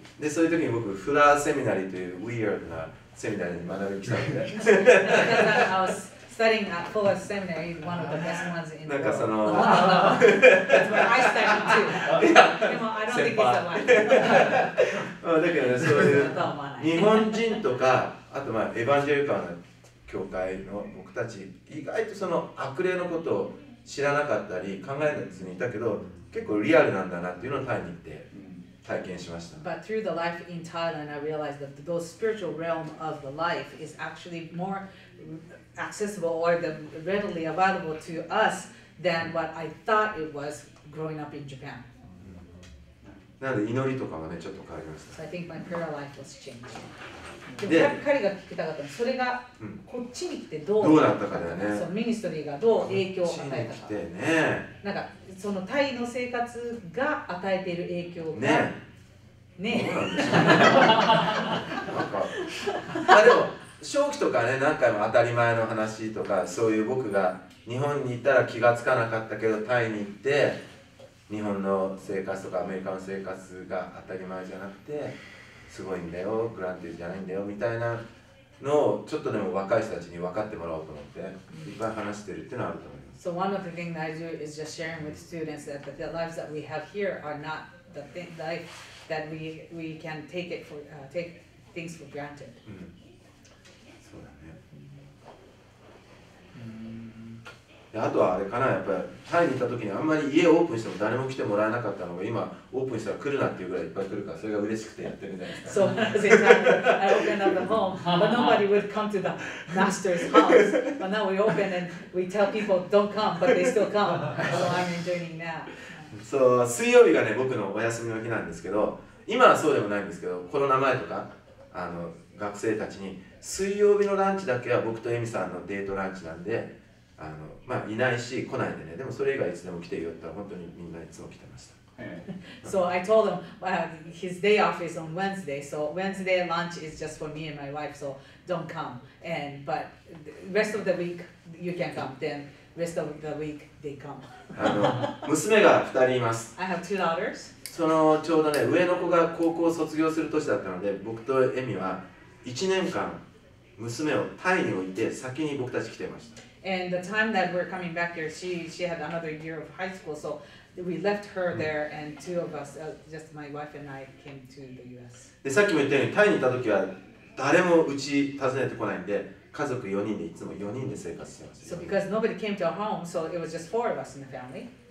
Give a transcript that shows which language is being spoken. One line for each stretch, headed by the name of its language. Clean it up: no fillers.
Japanese: で、そういう時に僕、フラーセミナリーというウィールドなセミナリーに学びに来たんで。
English: Studying at Fuller Seminary, one of the best ones in the world.
Japanese: その...
English: That's where I studied too. I don't think it's the one.
Japanese: だけどね、そういう日本人とか、あとまあエヴァンジェリカルの教会の僕たち、意外とその悪霊のことを知らなかったり考えずにいたけど、結構リアルなんだなっていうのをタイに行って体験しました。
English: But through the life in Thailand, I realized that those spiritual realm of the life is actually moreaccessible or the readily available to us than what I thought it was growing up in Japan.
Japanese: なので祈りとかがねちょっと変わりました。
English: So I think my prayer life was changed.
Japanese: で、彼が聞きたかったの、それがこっちに来てどうどうなったかだよね。そのミニストリーがどう影響を与えたか。こっちに来てね。なんかそのタイの生活が与えている影響が。ね。ね。なんか。あでも。正気とかね、何回も当たり前の話とか、そういう僕が日本に行ったら気がつかなかったけど、タイに行って日本の生活とかアメリカの生活が当たり前じゃなくてすごいんだよ、グランティーじゃないんだよみたいなのをちょっとでも若い人たちに分かってもらおうと思っていっぱい話してるっていうのはあると思います。
English: So one of the things I do is just sharing with students that the lives that we have here are not the thing, life that we can take, it for, take things for granted、
Japanese: うんあとはあれかな、やっぱりタイに行った時にあんまり家をオープンしても誰も来てもらえなかったのが、今オープンしたら来るなっていうぐらいいっぱい来るから、それが嬉しくてやってるみたいな。
English: So as exactly, I opened up the home, but nobody would come to the master's house. But now we open and we tell people don't come, but they still come. So I'm enjoying now.
Japanese: So 水曜日がね、僕のお休みの日なんですけど、今はそうでもないんですけど、コロナ前とか、あの学生たちに水曜日のランチだけは僕とエミさんのデートランチなんで、あのまあ、いないし来ないでね、でもそれ以外いつでも来てよって本当にみんないつも来てました。
English: So I told him、his day off is on Wednesday, so Wednesday lunch is just for me and my wife, so don't come. And, but rest of the week you can come, then rest of the week they come.
Japanese: あの娘が2人います。
English: I have two daughters.
Japanese: そのちょうどね、上の子が高校を卒業する年だったので、僕とエミは1年間娘をタイに置いて先に僕たち来てました。
English: And the time that we're coming back here, she had another year of high school, so we left her there, and two of us, just my wife and I, came to the U.S.
Japanese: で、さっきも言ったように、タイに行った時は誰もうち訪ねてこないんで、家族4人でいつも4人で生活してます。
English: So because nobody came to our home, so it was just four of us in the family.